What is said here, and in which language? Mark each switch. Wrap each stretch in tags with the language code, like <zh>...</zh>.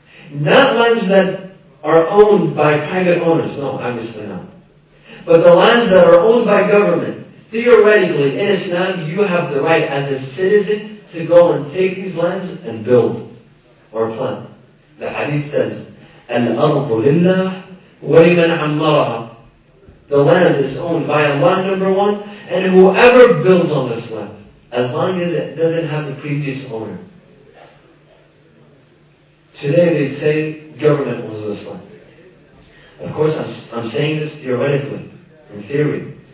<en>Not lands that are owned by private owners. No, obviously not. But the lands that are owned by government, theoretically, in Islam, you have the right as a citizen to go and take these lands and build or plant. The hadith says,</en> <ar>الْأَرْضُ لِلَّهِ وَلِمَنْ عَمَّرَهَا.</ar> <en>The land is owned by Allah, number one, and whoever builds on this land, as long as it doesn't have the previous owner. Today they say government owns this land. Of course, I'm saying this theoretically, in theory.</en>